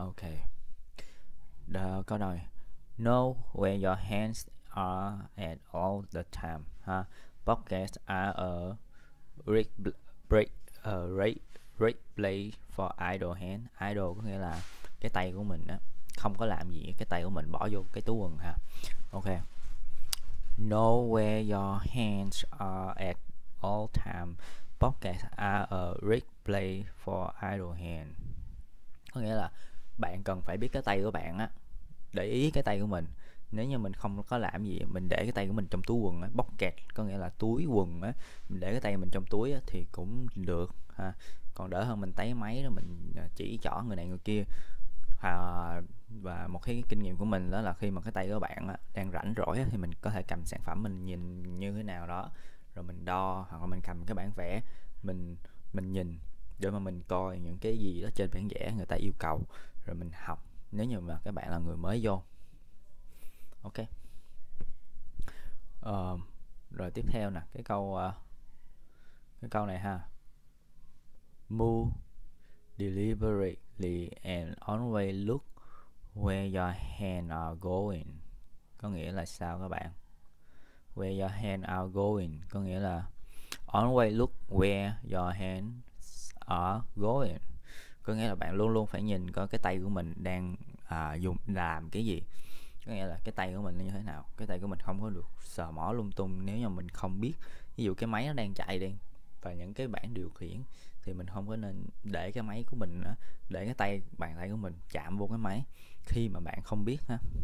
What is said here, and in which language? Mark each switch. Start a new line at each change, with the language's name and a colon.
Vietnamese: Ok. Đó, câu này:
English: Know where your hands are at all the time. Ha? Pockets are a great place for idle hand.
Vietnamese: Idle có nghĩa là cái tay của mình á, không có làm gì, cái tay của mình bỏ vô cái túi quần ha. Ok.
English: Know where your hands are at all time. Pockets are a great place for idle hand.
Vietnamese: Có nghĩa là bạn cần phải biết cái tay của bạn á, để ý cái tay của mình. Nếu như mình không có làm gì, mình để cái tay của mình trong túi quần á, pocket có nghĩa là túi quần á, mình để cái tay mình trong túi á, thì cũng được ha. Còn đỡ hơn mình tay máy rồi mình chỉ chỏ người này người kia. Và một cái kinh nghiệm của mình đó là khi mà cái tay của bạn á, đang rảnh rỗi á, thì mình có thể cầm sản phẩm mình nhìn như thế nào đó, rồi mình đo, hoặc là mình cầm cái bản vẽ mình nhìn để mà mình coi những cái gì đó trên bản vẽ người ta yêu cầu rồi mình học, nếu như mà các bạn là người mới vô. Ok. Rồi tiếp theo nè, cái câu này ha.
English: Move deliberately and always look where your hand are going.
Vietnamese: Có nghĩa là sao các bạn?
English: Where your hand are going
Vietnamese: có nghĩa là
English: always look where your hand are going.
Vietnamese: Có nghĩa là bạn luôn luôn phải nhìn coi cái tay của mình đang dùng làm cái gì. Có nghĩa là cái tay của mình như thế nào, cái tay của mình không có được sờ mó lung tung nếu như mình không biết. Ví dụ cái máy nó đang chạy đi và những cái bảng điều khiển thì mình không có nên để cái máy của mình, để cái tay bàn tay của mình chạm vô cái máy khi mà bạn không biết ha.